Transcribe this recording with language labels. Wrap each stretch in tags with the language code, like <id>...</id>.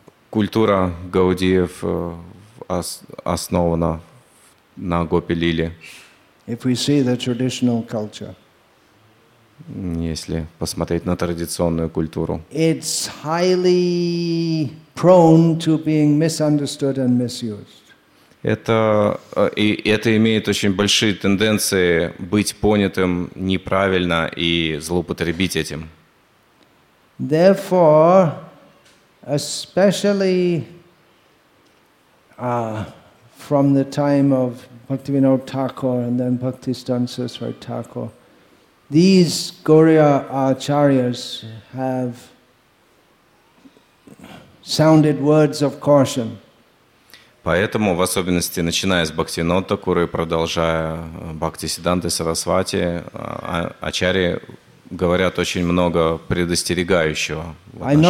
<ru>Культура гаудиев основана на Гопи Лиле.</ru> <en>If we see the traditional culture,</en> <ru>если посмотреть на традиционную культуру,</ru> <en>it's highly prone to being misunderstood and misused.</en> <ru>Это имеет очень большие тенденции быть понятым неправильно и злоупотребить этим.</ru> <en>Therefore, especially from the time of Bhaktivinoda Thakur and then Bhaktisiddhanta Saraswati Thakur, these Gauriya Acharyas have sounded words of caution.</en> <ru>Поэтому, в особенности, начиная с Бхактивинода Такура и продолжая Бхактисиддханты Сарасвати, ачарьи говорят очень много предостерегающего в</ru>